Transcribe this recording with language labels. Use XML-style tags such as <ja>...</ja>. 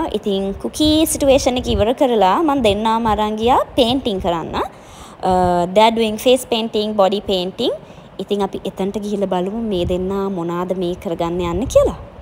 <si>ඉතින් cookie situation එක ඉවර කරලා මම දෙන්නාම අරන් ගියා පේන්ටින් කරන්න.</si> <en>They're doing face painting, body painting.</en> <si>ඉතින් අපි එතනට ගිහිල්ලා බලමු මේ දෙන්නා මොනාද මේ කරගන්න යන්නේ කියලා.</si>